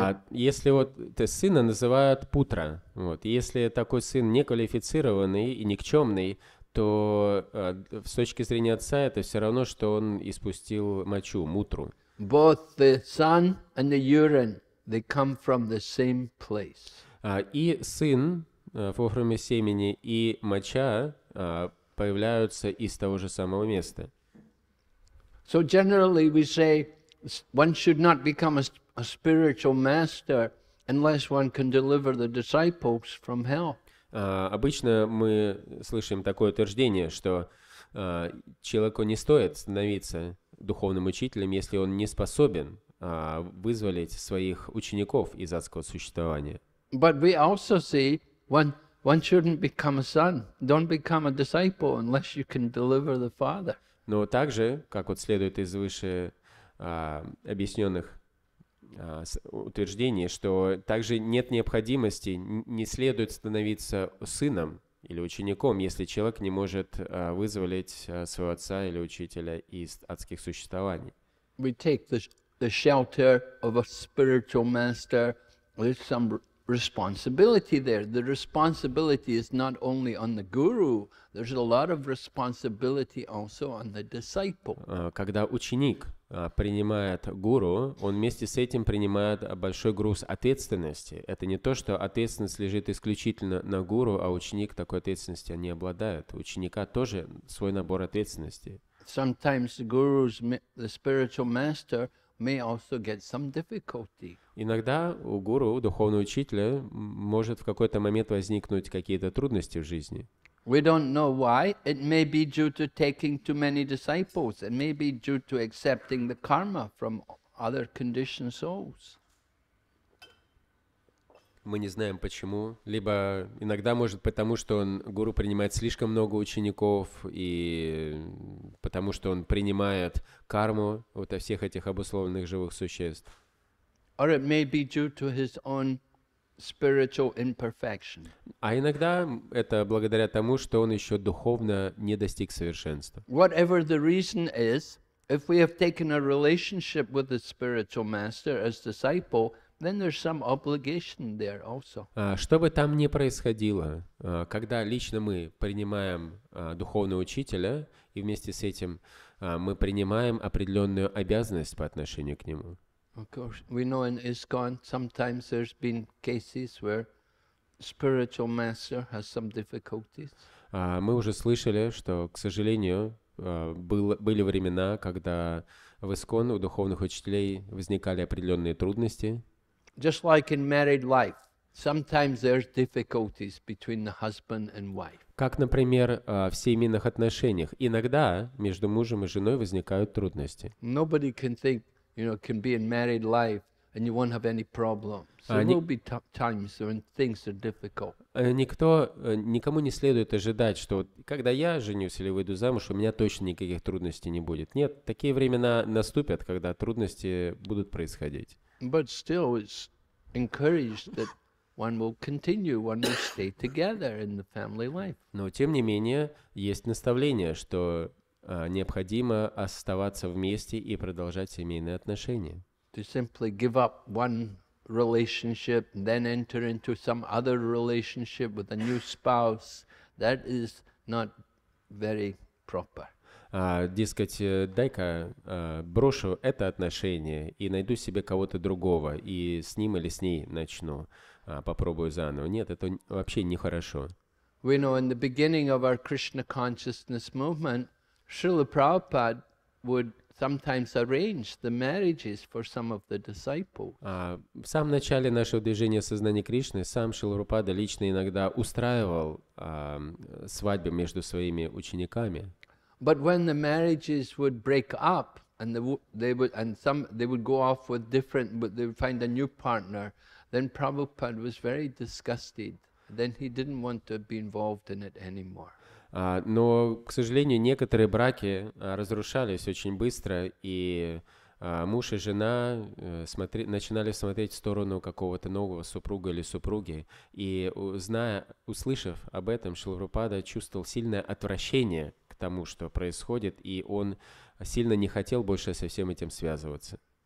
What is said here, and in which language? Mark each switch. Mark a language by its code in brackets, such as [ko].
[ru] Если вот это сына называют путра, вот если такой сын неквалифицированный и никчемный, то с точки зрения отца это все равно, что он испустил мочу, мутру. [en] Both the son and the urine they come from the same place. [ru] И сын в форме семени и моча появляются из того же самого места. [en] So generally we say one should not become a spiritual master unless one can deliver the disciples from hell. [ru] Обычно мы слышим такое утверждение, что человеку не стоит становиться духовным учителем, если он не способен вызволить своих учеников из адского существования. [en] But we also see one shouldn't become a son. Don't become a disciple unless you can deliver the father. [ru] Но также, как вот следует из выше объясненных утверждение, что также нет необходимости, не следует становиться сыном или учеником, если человек не может вызволить своего отца или учителя из адских существований. [en] We take the shelter of a spiritual master. There's some responsibility there. The responsibility is not only on the guru. There's a lot of responsibility also on the disciple. [ru] Когда ученик принимает гуру, он вместе с этим принимает большой груз ответственности. Это не то, что ответственность лежит исключительно на гуру, а ученик такой ответственности не обладает. У ученика тоже свой набор ответственности. [en] Sometimes the gurus, the spiritual master, may also get some difficulty. [ru] Иногда у гуру, у духовного учителя, может в какой-то момент возникнуть какие-то трудности в жизни. [en] We don't know why. It may be due to taking too many disciples. It may be due to accepting the karma from other conditioned souls. [ru] Мы не знаем почему. Либо иногда может потому, что он гуру принимает слишком много учеников, и потому что он принимает карму вот от всех этих обусловленных живых существ. [en] Or it may be due to his own spiritual imperfection. [ru] А иногда это благодаря тому, что он еще духовно не достиг совершенства. [en] Whatever the reason is, if we have taken a relationship with the spiritual master as disciple, then there's some obligation there also. [ru] Что бы там ни происходило, когда лично мы принимаем духовного учителя, и вместе с этим мы принимаем определенную обязанность по отношению к нему. [en] Of course, we know in ISKCON sometimes there's been cases where spiritual master has some difficulties. [ru] Мы уже слышали, что, к сожалению, были времена, когда в ISKCON у духовных учителей возникали определенные трудности. [en] Just like in married life, sometimes there's difficulties between the husband and wife. [ru] Как, например, в семейных отношениях, иногда между мужем и женой возникают трудности. [en] Nobody can think, you know, can be in married life and you won't have any problems. So there will be times when things are difficult. [ru] Никому не следует ожидать, что когда я женюсь или выйду замуж, у меня точно никаких трудностей не будет. Нет, такие времена наступят, когда трудности будут происходить. [en] But still, it's encouraged that one will continue, one will stay together in the family life. [ru] Но тем не менее есть наставление, что необходимо оставаться вместе и продолжать семейные отношения. [en] To simply give up one relationship, then enter into some other relationship with a new spouse, that is not very proper. [ru] Дай-ка брошу это отношение и найду себе кого-то другого, и с ним или с ней начну, попробую заново. Нет, это вообще нехорошо. [en] We know in the beginning of our Krishna consciousness movement, Srila Prabhupada would sometimes arrange the marriages for some of the disciples. [ru] В самом начале нашего движения сознания Кришны сам Шрила Прабхупада лично иногда устраивал свадьбы между своими учениками. [en] But when the marriages would break up and they would find a new partner, then Prabhupada was very disgusted. Then he didn't want to be involved in it anymore. [ru] Но, к сожалению, некоторые браки разрушались очень быстро, и муж и жена начинали смотреть в сторону какого-то нового супруга или супруги. И, услышав об этом, Шрила Прабхупада чувствовал сильное отвращение к тому, что происходит, и он сильно не хотел больше со всем этим связываться.